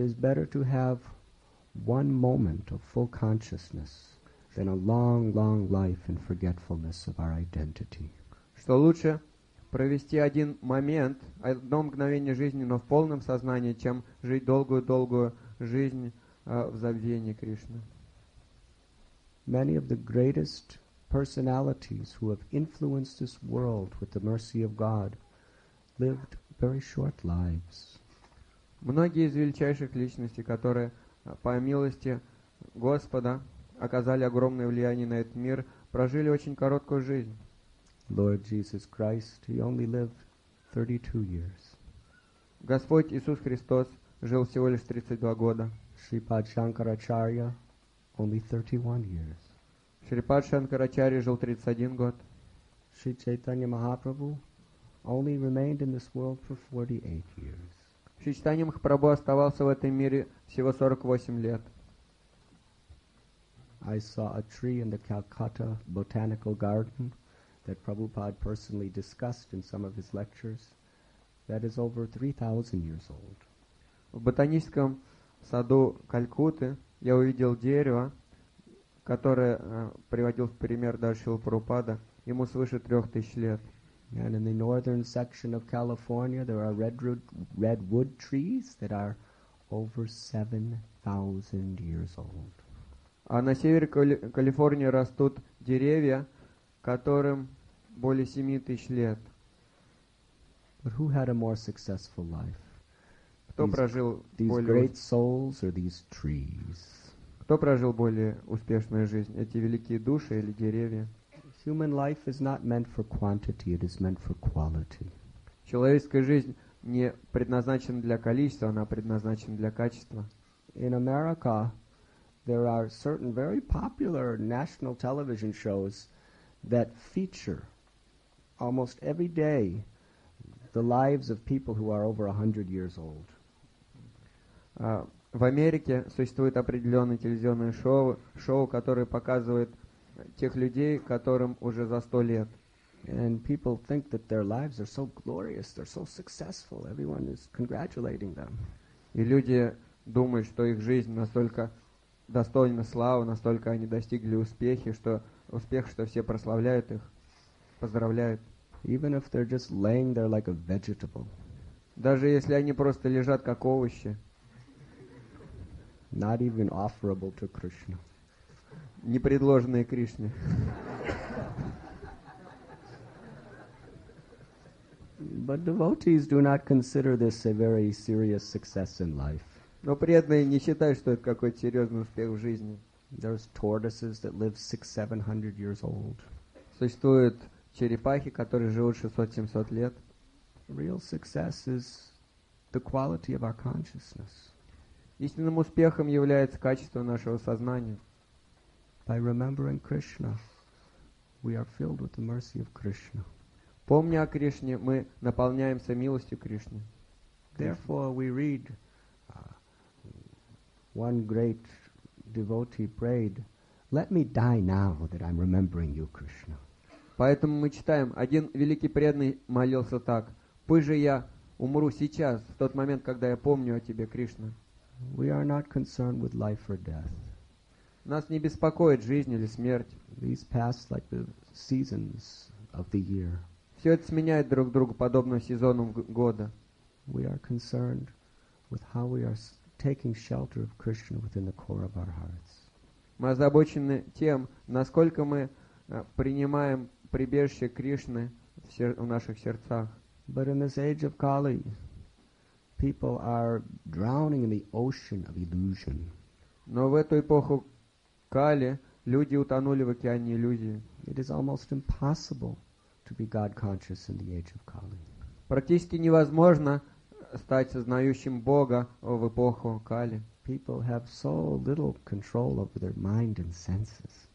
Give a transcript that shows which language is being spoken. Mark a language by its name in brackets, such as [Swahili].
[English] is better to have one moment of full consciousness than a long, long life in forgetfulness of our identity. [Russian] Что лучше провести один момент, одно мгновение жизни, но в полном сознании, чем жить долгую-долгую жизнь в забвении Кришны. [English] Many of the greatest personalities who have influenced this world with the mercy of God lived very short lives. [Russian] Многие из величайших личностей, которые по милости Господа оказали огромное влияние на этот мир, прожили очень короткую жизнь. [English] Lord Jesus Christ, he only lived 32 years. [Russian] Господь Иисус Христос жил всего лишь 32 года. [English] Шрипад Шанкарачарья only 31 years. [Russian] Шрипад Шанкарачарья жил 31 год. [English] Шри Чайтанья Махапрабху only remained in this world for 48 years. [Russian] Шри Чайтанья Махапрабху оставался в этом мире всего 48 лет. [English] I saw a tree in the Calcutta Botanical Garden that Prabhupada personally discussed in some of his lectures that is over 3,000 years old. [Russian] В ботаническом саду Калькутты я увидел дерево, которое приводил в пример даже Шрила Прабхупада, ему свыше 3000 лет. [English] And in the northern section of California, there are redwood trees that are over 7,000 years old. [Russian] А на севере Калифорнии растут деревья, которым более 7000 лет. [English] But who had a more successful life? [Russian] Кто прожил [English] these great souls or these trees? [Russian] Кто прожил более успешную жизнь, эти великие души или деревья? [English] Human life is not meant for quantity, it is meant for quality. [Russian] Человеческая жизнь не предназначена для количества, она предназначена для качества. [English] In America, there are certain very popular national television shows that feature almost every day the lives of people who are over 100 years old. [Russian] В Америке существует определенное телевизионное шоу, которое показывает тех людей, которым уже за 100 лет. [English] And people think that their lives are so glorious, they're so successful. Everyone is congratulating them. [Russian] И люди думают, что их жизнь настолько достойна славы, настолько они достигли успеха, что все прославляют их, поздравляют. [English] Even if they're just laying there like a vegetable. [Russian] Даже если они просто лежат как овощи. [English] Not even offerable to Krishna. [Russian] Не предложенные Кришне. [English] But devotees do not consider this a very serious success in life. [Russian] Но преданные не считают, что это какой-то серьезный успех в жизни. [English] There's tortoises that live 600-700 years old. [Russian] Существуют черепахи, которые живут 600-700 лет. [English] Real success is the quality of our consciousness. [Russian] Истинным успехом является качество нашего сознания. [English] By remembering Krishna, we are filled with the mercy of Krishna. [Russian] Помня о Кришне, мы наполняемся милостью Кришны. [English] Therefore, we read one great devotee prayed, "Let me die now that I'm remembering you, Krishna." [Russian] Поэтому мы читаем, один великий преданный молился так: "Пусть же я умру сейчас, в тот момент, когда я помню о тебе, Кришна." [English] We are not concerned with life or death. [Russian] Нас не беспокоит жизнь или смерть. [English] These pass like the seasons of the year. [Russian] Все это сменяет друг друга подобно сезону года. [English] We are concerned with how we are taking shelter of Krishna within the core of our hearts. [Russian] Мы озабочены тем, насколько мы принимаем прибежище Кришны в наших сердцах. [English] But in this age of Kali, people are drowning in the ocean of illusion. [Russian] Но в эту эпоху Кали люди утонули в океане иллюзий. [English] It is almost impossible to be God-conscious in the age of Kali. [Russian] Практически невозможно стать сознающим Бога в эпоху Кали. [English] People have so little control over their mind and senses.